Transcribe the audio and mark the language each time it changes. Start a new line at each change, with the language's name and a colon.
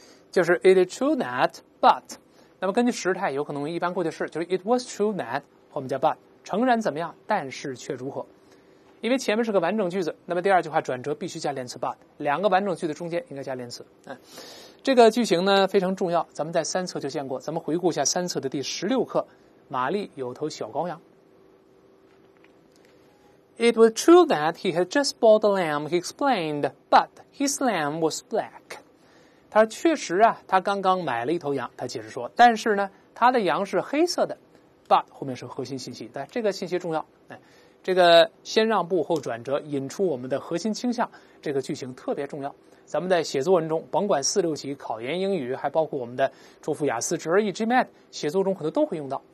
Chinese: 就是
English: it is true that
Chinese: but， 那么根据时态有可能一般过去式，就是
English: it was true that，
Chinese: 我们叫 but， 诚然怎么样但是却如何。因为前面是个完整句子，那么第二句话转折必须加连词 but， 两个完整句子中间应该加连词、这个句型呢非常重要，咱们在三册就见过，咱们回顾一下三册的第16课，玛丽有头小羔羊。
English: It was true that he had just bought a lamb, he explained, but his lamb was black.
Chinese: 他确实啊，他刚刚买了一头羊，他解释说，但是呢他的羊是黑色的，but 后面是核心信息，但这个信息重要、这个先让步后转折引出我们的核心倾向，这个句型特别重要。咱们在写作文中甭管四六级考研英语，还包括我们的托福雅思 GRE GMAT 写作中可能都会用到。